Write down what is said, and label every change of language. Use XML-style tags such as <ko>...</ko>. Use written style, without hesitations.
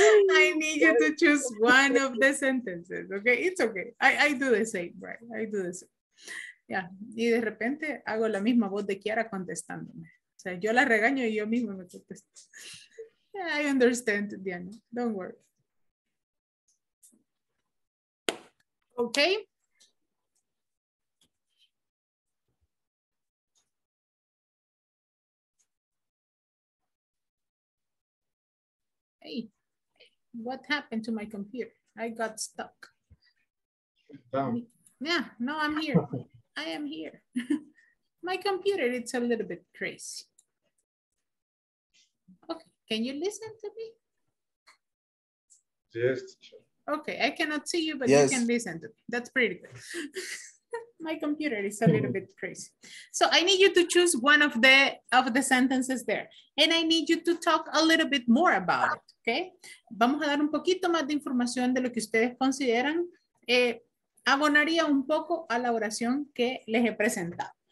<en>I need you to choose one of the sentences, okay? It's okay. I do the same, right? I do the same.</en> <es>Yeah. Y de repente hago la misma voz de Kiara contestándome. O sea, yo la regaño y yo misma me contesto.</es> <en>Yeah, I understand, Diana. Don't worry. Okay. Hey, what happened to my computer? I got stuck. Yeah, no, I'm here. I am here. My computer, it's a little bit crazy. Okay, can you listen to me? Yes. Okay, I cannot see you, but yes, you can listen to me. That's pretty good. My computer is a little bit crazy. So I need you to choose one of the sentences there. And I need you to talk a little bit more about it, okay?</en> <es>Vamos a dar un poquito más de información de lo que ustedes consideran. Abonaría un poco a la oración que les he presentado.</es>